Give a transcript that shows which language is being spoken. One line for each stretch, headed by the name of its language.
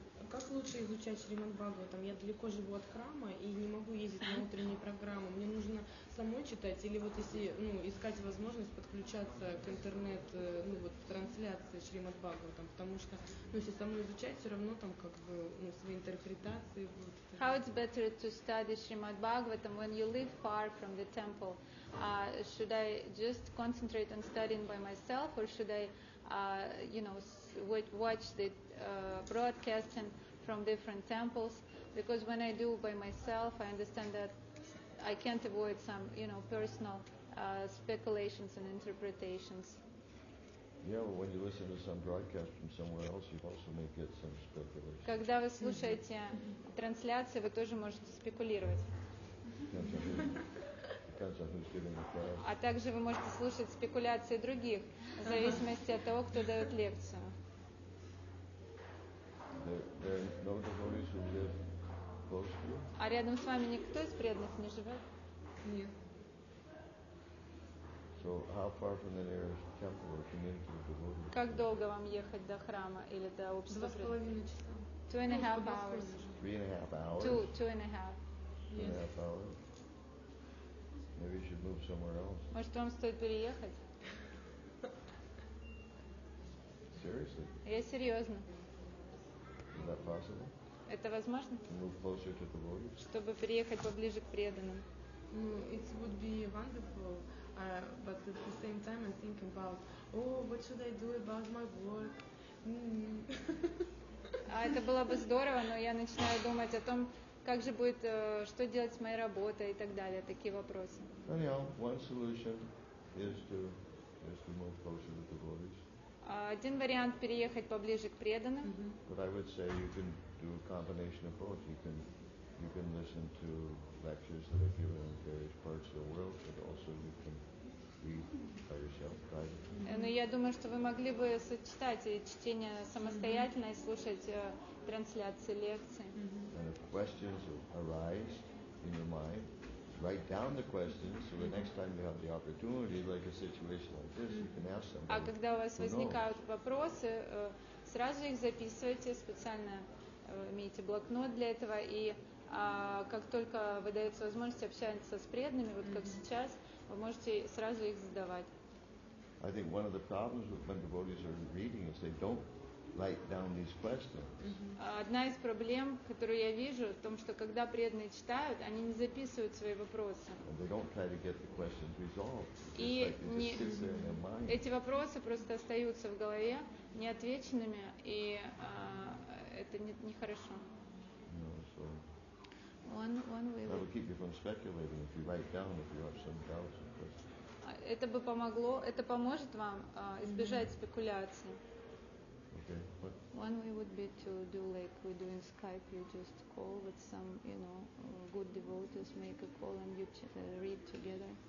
Russian: Как лучше изучать Шримад Бхагаватам? Я далеко живу от храма и не могу ездить на утренние программы. Мне нужно самой читать или вот если искать возможность подключаться к интернет, трансляции Шримад Бхагаватам, потому что если самой изучать, все равно там свои интерпретации будут.
English: How it's better to study Shrimad Bhagavatam when you live far from the temple? Should I just concentrate on studying by myself or should I watch the broadcasting from different temples, because when I do by myself, I understand that I can't avoid some, personal speculations and interpretations. Yeah, well, when you listen to some broadcast from somewhere else, you also may get some speculation.
Russian: Когда вы слушаете трансляции, вы тоже можете спекулировать. А также вы можете слушать спекуляции других, в зависимости от того, кто дает лекцию.
English: There are no devotees who live close to you?
Russian: А рядом с вами никто из преданных не живет? Нет.
English: So how far from the nearest temple or community of devotees?
Russian: Как долго вам ехать до храма или до общества? 2.5 часа.
English: 2.5 hours. 3.5 hours? Two and a half hours. Maybe you should move somewhere else.
Russian: Может, вам стоит переехать?
English: Seriously?
Russian: Я серьезно.
English: Is that possible?
Russian: Это возможно?
English: Move closer to the
Russian: Чтобы переехать поближе к преданным.
English: It would be wonderful. but at the same time I think about, oh, what should I do about my work?
Russian: А это было бы здорово, но я начинаю думать о том, как же будет, что делать с моей работой и так далее, такие вопросы.
English: Anyhow, one solution is to move closer to the devotees.
Russian: Один вариант — переехать поближе к преданным.
English: But I would say you can do a combination of both. You can listen to lectures that are given in various parts of the world, but also you can read by yourself privately.
Russian: Но я думаю, что вы могли бы сочетать чтение самостоятельно и слушать трансляции лекций.
English: And if questions arise in your mind, write down the questions so the next time you have the opportunity, like a situation like this, you can ask somebody.
Russian: А когда у вас возникают вопросы, сразу их записывайте, специально имейте блокнот для этого, и как только выдается возможность общаться с преданными, вот как сейчас, вы можете сразу их задавать.
English: I think one of the problems with when devotees are reading is they don't write down these questions.
Russian: Одна из проблем, которую я вижу, в том, что когда преданные читают, они не записывают свои вопросы.
English: And they don't try to get the questions resolved.
Russian: И не эти вопросы просто остаются в голове неотвеченными, и это не хорошо.
English: That will keep you from speculating if you write down if you have some doubts and questions.
Russian: Это бы помогло, это поможет вам избежать спекуляций.
English: Okay. What? One way would be to do like we do in Skype. You just call with some, you know, good devotees, make a call and you read together.